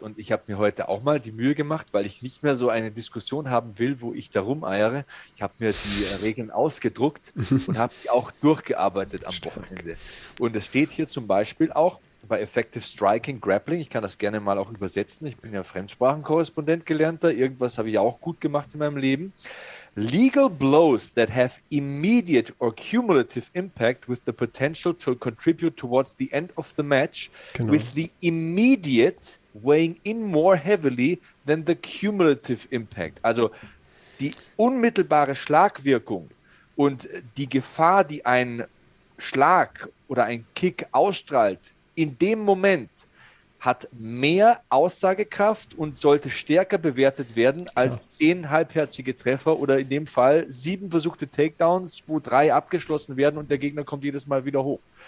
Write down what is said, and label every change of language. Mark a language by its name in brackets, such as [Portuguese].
[German] Und ich habe mir heute auch mal die Mühe gemacht, weil ich nicht mehr so eine Diskussion haben will, wo ich da rumeiere. Ich habe mir die Regeln ausgedruckt und habe die auch durchgearbeitet am Wochenende. Und es steht hier zum Beispiel auch bei Effective Striking Grappling, ich kann das gerne mal auch übersetzen, ich bin ja Fremdsprachenkorrespondent gelernter, irgendwas habe ich auch gut gemacht in meinem Leben. [English] Legal blows that have immediate or cumulative impact with the potential to contribute towards the end of the match, [German] genau. [English] With the immediate weighing in more heavily than the cumulative impact. [German] Also die unmittelbare Schlagwirkung und die Gefahr, die ein Schlag oder ein Kick ausstrahlt, in dem Moment hat mehr Aussagekraft und sollte stärker bewertet werden als 10 halbherzige Treffer oder in dem Fall 7 versuchte Takedowns, wo 3 abgeschlossen werden und der Gegner kommt jedes Mal wieder hoch.